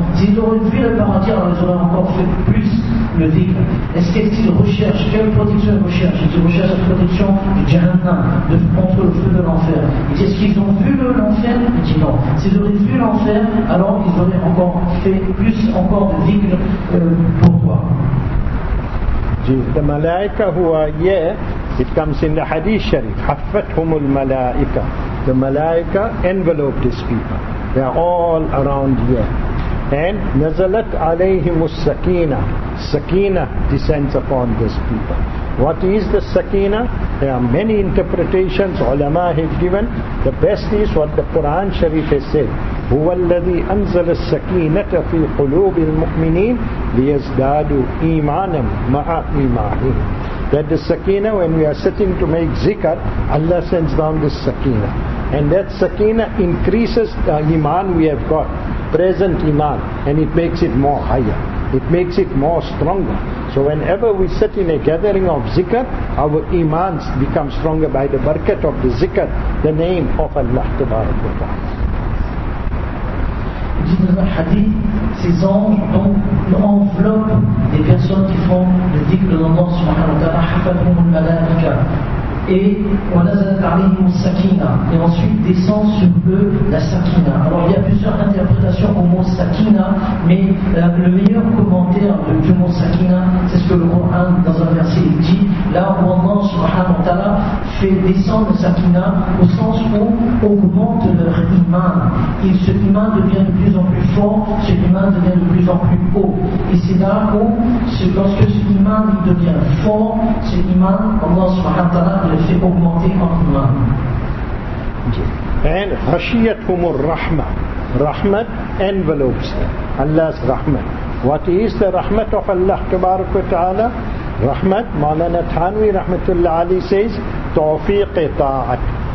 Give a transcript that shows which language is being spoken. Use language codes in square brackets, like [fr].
[fr] S'ils auraient vu le paradis, alors ils auraient encore fait plus le dhikr. Quelle protection ils recherchent? Ils recherchent la protection du Jahannam, contre le feu de l'enfer. Il dit, est-ce qu'ils ont vu l'enfer? Il dit non. S'ils auraient vu l'enfer, alors ils auraient encore fait plus encore de dhikr. Pourquoi? [en] The malaika who are here, It comes in the Hadith Sharif. Haffathumul Malaika. The Malaika enveloped these people. They are all around here. And Nazalat alayhimus Sakina. Sakina descends upon these people. What is the Sakina? There are many interpretations ulama have given. The best is what the Quran Sharif has said. [ar] هُوَ الَّذِي أَنزَلَ السَّكِينَةَ فِي قُلُوبِ الْمُؤْمِنِينَ لِيَزْدَادُوا إِيمَانًا مَعَ إِيمَانِهِمْ. [en] That the Sakina, when we are sitting to make zikr, Allah sends down this Sakina. And that Sakina increases the iman we have got, present iman, and it makes it more higher. It makes it more stronger. So whenever we sit in a gathering of zikr, our imans become stronger by the barakat of the zikr, the name of Allah Tabaraka wa Ta'ala. [fr] Dit dans un hadith, ces anges ont l'enveloppe des personnes qui font le dhikr de l'Allah subhanahu wa ta'ala, hafadhum al malaika, et on a parlé sakina, et ensuite descend sur eux la sakina. Alors il y a plusieurs interprétations au mot sakina, mais le meilleur commentaire du mot sakina, c'est ce que le Coran dans un verset dit, là où Allah subhanahu wa ta'ala fait descendre sakina au sens où augmente leur iman, et ce iman devient de plus en plus fort, ce iman devient de plus en plus haut, et c'est là où c'est lorsque ce iman devient fort, ce iman Allah subhanahu wa ta'ala [en] and hashiyatumur rahma, rahmat envelopes them. Allah's rahmat. What is the rahmat of Allah tabarak wa ta'ala? Rahmat, Maulana Thanwi rahmatullah Ali says, tawfiq ta'at.